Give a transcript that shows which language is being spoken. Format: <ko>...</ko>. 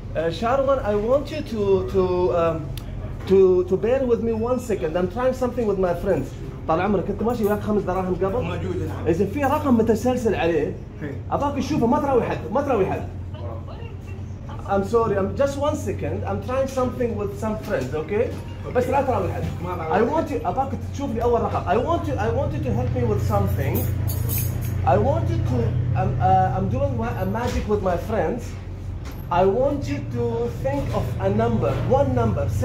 <en>Sharwan, I want you to bear with me 1 second. I'm trying something with my friends.</en> <ar>طال عمرك انت ماشي وياك 5 دراهم قبل؟ موجود نعم. اذا في رقم متسلسل عليه اباك تشوفه ما تراوي حد.</ar> <en>I'm sorry, I'm just 1 second. I'm trying something with some friends, okay?</en> <ar>بس لا تراوي حد.</ar> <en>I want you,</en> <ar>اباك تشوف لي اول رقم.</ar> <en>I want you to help me with something. I want you to, I'm doing a magic with my friends. I want you to think of a number, one number.</en>